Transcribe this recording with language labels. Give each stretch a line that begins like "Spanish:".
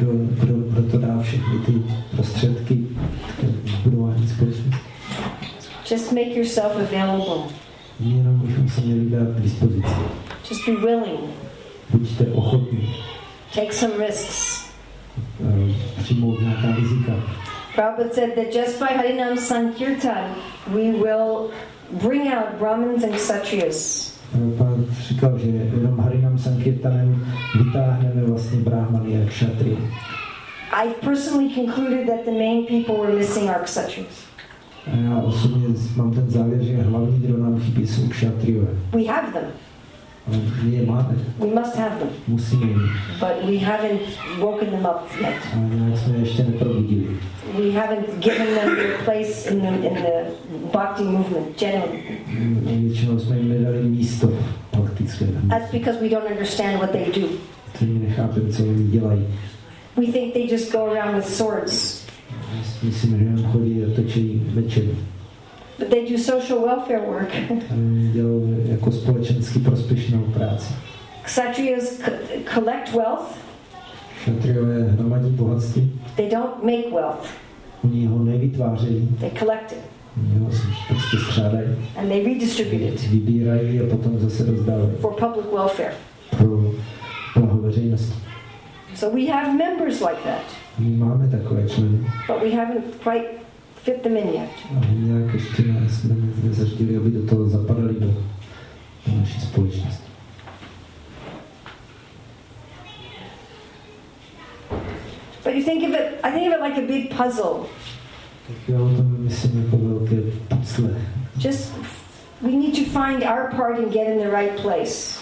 Czech: kdo to dá všechny ty prostředky k budování společnosti?
English: Just make yourself available.
Czech: Jenom bychom se měli dát k dispozici.
English: Just be willing.
Czech: Buďte ochotní.
English: Take some risks.
Czech: Přijmout nějaká rizika.
English: Prabhupada said that just by Harinam Sankirtan, we will bring out Brahmins and Kshatriyas.
Czech: Prabhupada říkal, že jenom Harinam Sankirtanem vytáhneme vlastně Brahmany a Kshatriy.
English: I personally concluded that the main people were missing are Kshatriyas.
Czech: A já osobně mám ten závěr, že hlavní, kdo nám chybí, jsou Kshatriyové.
English: We have them.
Czech: My je máme.
English: We must have them.
Czech: Musíme.
English: But we haven't woken them up yet.
Czech: A nějak jsme ještě neprobudili.
English: We haven't given them their place in the bhakti movement generally.
Czech: Většinou jsme jim nedali místo v bhaktické.
English: That's because we don't understand what they do.
Czech: To my nechápem, co oni dělají.
English: We think they just go around with swords.
Czech: Myslím, že jenom chodí a točí mečem.
English: But they do social welfare work.
Czech: Dělají jako společensky prospěšnou práci.
English: Kshatriyas collect wealth.
Czech: Kshatriyové hromadí bohatství.
English: They don't make wealth.
Czech: Oni ho nevytvářejí.
English: They collect it.
Czech: Jo, prostě střádají.
English: And they redistribute it.
Czech: Vybírají a potom zase rozdávají.
English: For public welfare.
Czech: Pro blaho veřejnosti.
English: So we have members like that.
Czech: My máme takové členy.
English: But we haven't quite fit them in yet.
Czech: A nějak ještě jsme nezaštěli, aby do toho zapadali do naší společnosti.
English: But you think of it, I think of it like a big puzzle.
Czech: Tak já o tom myslím jako velké pucle.
English: Just, we need to find our part and get in the right place.